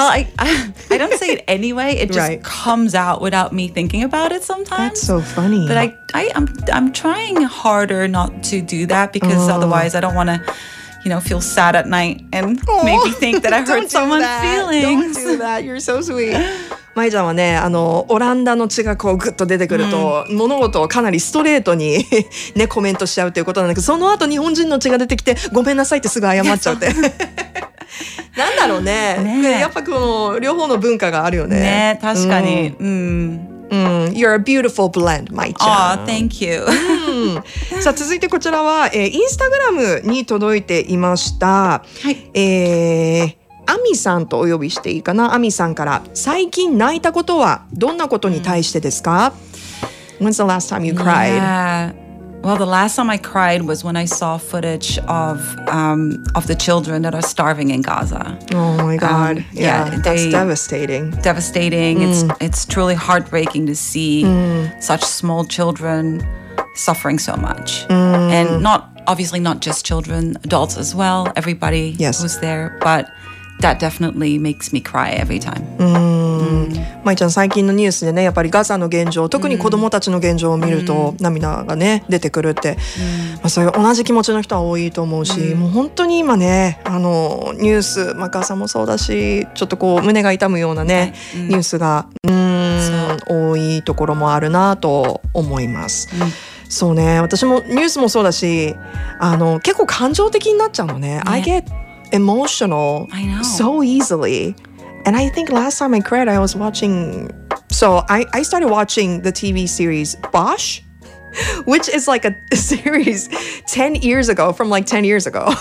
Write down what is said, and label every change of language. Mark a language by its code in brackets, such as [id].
[en] Well, I don't say it anyway. It just right. comes out without me thinking about it sometimes. That's so funny. But I'm trying harder not to do that because otherwise I don't want to, you know, feel sad at night and maybe think that I hurt someone's feelings. Don't do that. You're so sweet. [ja] まいちゃんはね、あのオランダの血がこうグッと出てくると、うん、物事をかなりストレートに、ね、コメントしちゃうということなんだけど、その後日本人の血が出てきてごめんなさいってすぐ謝っちゃうってなんだろう ね、やっぱこの両方の文化があるよ ね確かに、うん [en] うん、You're a beautiful blend, まいちゃん。 Aw, thank you. 、 [ja] うん、さあ続いてこちらは、インスタグラムに届いていました。はい、アミさんとお呼びしていいかな。アミさんから、最近泣いたことはどんなことに対してですか。 [en] When's the last time you cried? Well, the last time I cried was when I saw footage of the children that are starving in Gaza. Oh my God. That's devastating. Devastating. It's truly heartbreaking to see such small children suffering so much. And not, obviously not just children, adults as well. Everybody was there. But... That definitely makes me cry every time. [ja] まいちゃん、最近のニュースでね、やっぱりガザの現状、特に子供たちの現状を見ると、涙がね、出てくるって、まあ、そういう同じ気持ちの人は多いと思うし、もう本当に今ね、あのニュース、まあ、ガザもそうだし、ちょっとこう胸が痛むようなね、ニュースが多いところもあるなと思います。そうね、私もニュースもそうだし、あの結構感情的になっちゃうのね。 [en] I get emotional so easily, and I think last time I cried I was watching, so I started watching the TV series Bosch, which is like a series 10 years ago from like 10 years ago.